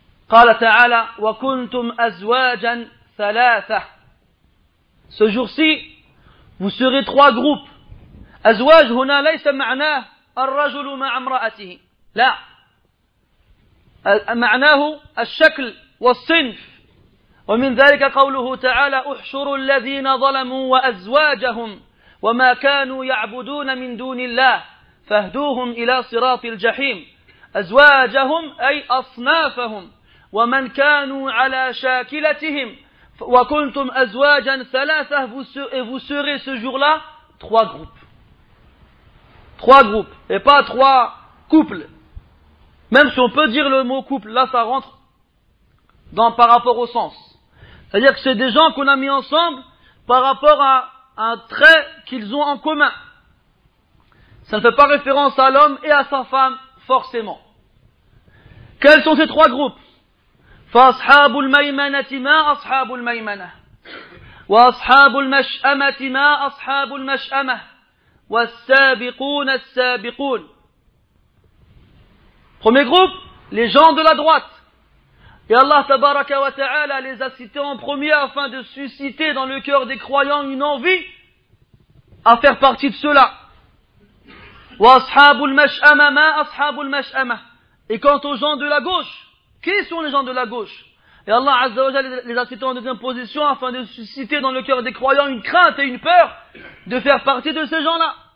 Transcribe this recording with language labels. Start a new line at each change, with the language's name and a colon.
Arabic: قال تعالى وكنتم أزواجا ثلاثة.
French: Ce jour-ci, vous serez trois groupes.
Arabic: أزواج هنا ليس معناه الرجل مع امرأته. لا. معناه الشكل والصنف. ومن ذلك قوله تعالى احشروا الذين ظلموا وأزواجهم وما كانوا يعبدون من دون الله فاهدوهم إلى صراط الجحيم. أزواجهم أي أصنافهم. ومن كانوا على شاكلتهم وكنتم أزواجا ثلاثة.
French: Vous serez ce jour-là trois groupes. Trois groupes et pas trois couples. Même si on peut dire le mot couple, là ça rentre dans, par rapport au sens. C'est-à-dire que c'est des gens qu'on a mis ensemble par rapport à un trait qu'ils ont en commun. Ça ne fait pas référence à l'homme et à sa femme forcément. Quels sont ces trois groupes ?
Arabic: فأصحاب الميمنة ما أصحاب الميمنة وأصحاب المشأمة ما أصحاب المشأمة والسابقون السابقون.
French: Premier groupe, les gens de la droite. Et Allah tabaraka wa ta'ala les a cités en premier afin de susciter dans le cœur des croyants une envie à faire partie de cela.
Arabic: وأصحاب المشأمة ما أصحاب المشأمة.
French: Et quant aux gens de la gauche, qui sont les gens de la gauche? Et Allah Azza wa Jalla les a cités en deuxième position afin de susciter dans le cœur des croyants une crainte et une peur de faire partie de ces gens-là.